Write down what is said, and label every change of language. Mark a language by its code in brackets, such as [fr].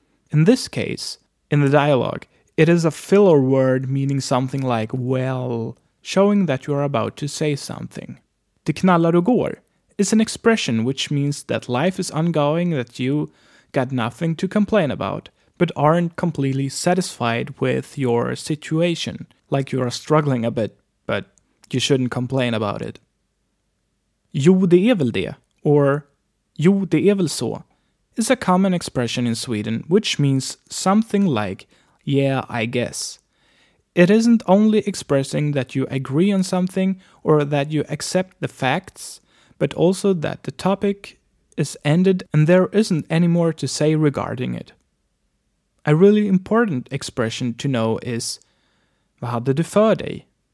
[en] In this case, in the dialogue, it is a filler word meaning something like, well, showing that you are about to say something. [sv] Det knallar och går. [en] It's an expression which means that life is ongoing, that you got nothing to complain about, but aren't completely satisfied with your situation, like you are struggling a bit, but you shouldn't complain about it. [sv] Jo, det är väl det, [en] or [sv] jo, det är väl så, [en] is a common expression in Sweden, which means something like, yeah, I guess. It isn't only expressing that you agree on something or that you accept the facts, but also that the topic is ended and there isn't any more to say regarding it. A really important expression to know is, [sv] Vad hade du för dig?